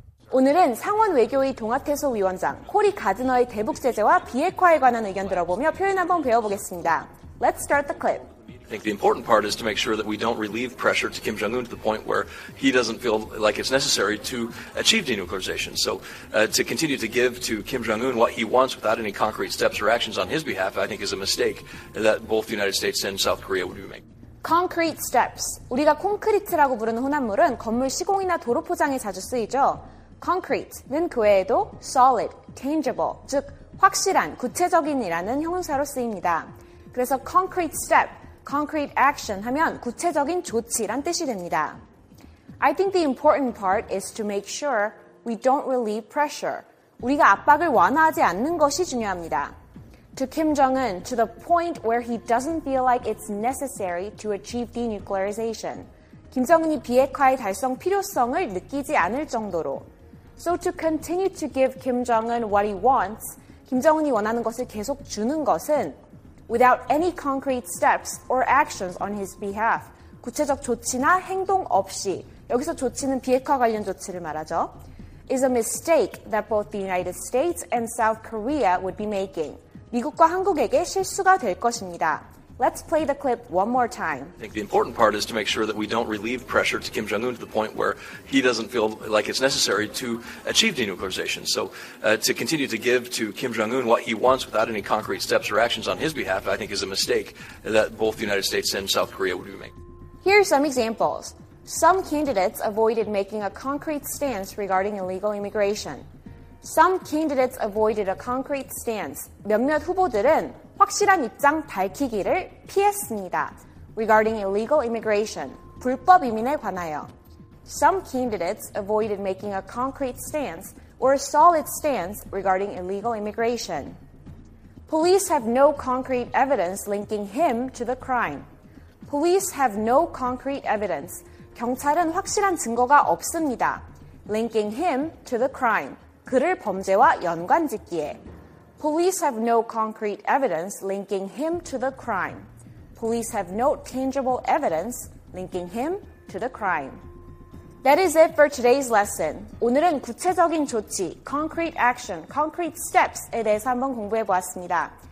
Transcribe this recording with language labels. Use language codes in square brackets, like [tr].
[ko] 오늘은 상원 외교의 동아태소 위원장 코리 가드너의 대북 제재와 비핵화에 관한 의견 들어보며 표현 한번 배워보겠습니다. [en] Let's start the clip. I think the important part is to make sure that we don't relieve pressure to Kim Jong-un to the point where he doesn't feel like it's necessary to achieve denuclearization. So to continue to give to Kim Jong-un what he wants without any concrete steps or actions on his behalf, I think is a mistake that both the United States and South Korea would be making. Concrete steps. [ko] 우리가 콘크리트라고 부르는 혼합물은 건물 시공이나 도로 포장에 자주 쓰이죠. Concrete는 그 외에도 solid, tangible, 즉 확실한, 구체적인이라는 형용사로 쓰입니다. 그래서 concrete step. Concrete action 하면 구체적인 조치란 뜻이 됩니다. [en] I think the important part is to make sure we don't relieve pressure. [ko] 우리가 압박을 완화하지 않는 것이 중요합니다. [en] To Kim Jong-un, to the point where he doesn't feel like it's necessary to achieve denuclearization. [ko] 김정은이 비핵화의 달성 필요성을 느끼지 않을 정도로. [en] So to continue to give Kim Jong-un what he wants, [ko] 김정은이 원하는 것을 계속 주는 것은 [en] without any concrete steps or actions on his behalf. [ko] 구체적 조치나 행동 없이, 여기서 조치는 비핵화 관련 조치를 말하죠. [en] is a mistake that both the United States and South Korea would be making. [ko] 미국과 한국에게 실수가 될 것입니다. [en] Let's play the clip one more time. I think the important part is to make sure that we don't relieve pressure to Kim Jong-un to the point where he doesn't feel like it's necessary to achieve denuclearization. So to continue to give to Kim Jong-un what he wants without any concrete steps or actions on his behalf, I think is a mistake that both the United States and South Korea would be making. Here are some examples. Some candidates avoided making a concrete stance regarding illegal immigration. Some candidates avoided a concrete stance. [ko] 몇몇 후보들은 확실한 입장 밝히기를 피했습니다. [en] Regarding illegal immigration, [ko] 불법 이민에 관하여. [en] Some candidates avoided making a concrete stance or a solid stance regarding illegal immigration. Police have no concrete evidence linking him to the crime. Police have no concrete evidence. [ko] 경찰은 확실한 증거가 없습니다. [en] Linking him to the crime. [ko] 그를 범죄와 연관짓기에. [en] Police have no concrete evidence linking him to the crime. Police have no tangible evidence linking him to the crime. That is it for today's lesson. [ko] 오늘은 구체적인 조치, concrete action, concrete steps에 대해서 한번 공부해 보았습니다.